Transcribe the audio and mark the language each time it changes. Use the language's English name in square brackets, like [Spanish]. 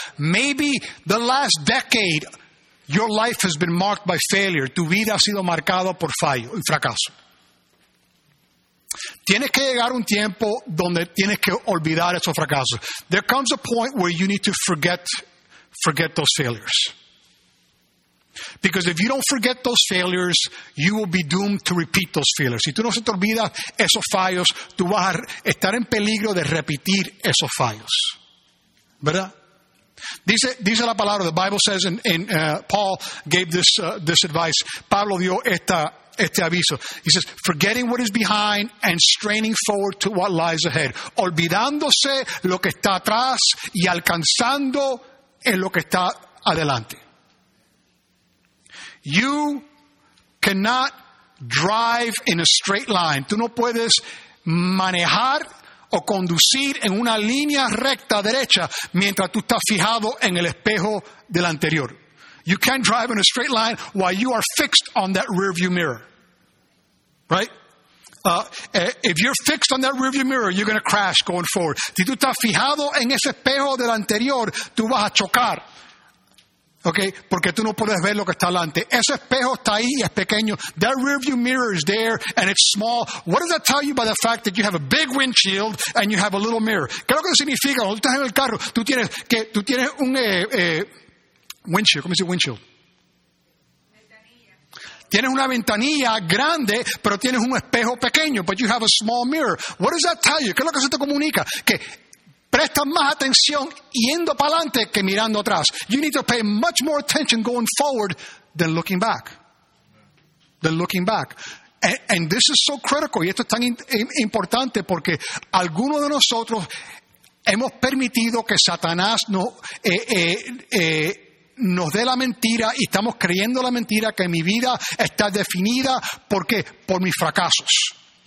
[English] Maybe the last decade, your life has been marked by failure. [Spanish] Tu vida ha sido marcada por fallo y fracaso. Tienes que llegar un tiempo donde tienes que olvidar esos fracasos. [English] There comes a point where you need to forget those failures. Because if you don't forget those failures, you will be doomed to repeat those failures. [Spanish] Si tú no se te olvidas esos fallos, tú vas a estar en peligro de repetir esos fallos. ¿Verdad? Dice la palabra, [English] the Bible says, Paul gave this advice. [Spanish] Pablo dio este aviso. [English] He says, forgetting what is behind and straining forward to what lies ahead. [Spanish] Olvidándose lo que está atrás y alcanzando en lo que está adelante. [English] You cannot drive in a straight line. [Spanish] Tú no puedes manejar o conducir en una línea recta derecha mientras tú estás fijado en el espejo del anterior. [English] You can't drive in a straight line while you are fixed on that rearview mirror. Right? If you're fixed on that rearview mirror, you're going to crash going forward. [Spanish] Si tú estás fijado en ese espejo del anterior, tú vas a chocar. Okay, porque tú no puedes ver lo que está delante. Ese espejo está ahí y es pequeño. [English] That rearview mirror is there and it's small. What does that tell you by the fact that you have a big windshield and you have a little mirror? [Spanish] ¿Qué es lo que significa? Cuando tú estás en el carro, tú tienes un windshield. ¿Cómo se dice windshield? Ventanilla. Tienes una ventanilla grande, pero tienes un espejo pequeño. [English] But you have a small mirror. What does that tell you? [Spanish] ¿Qué es lo que se te comunica? Que prestas más atención yendo para adelante que mirando atrás. [English] You need to pay much more attention going forward than looking back. Than looking back. And this is so critical. [Spanish] Y esto es tan importante porque algunos de nosotros hemos permitido que Satanás nos dé la mentira y estamos creyendo la mentira que mi vida está definida porque por mis fracasos.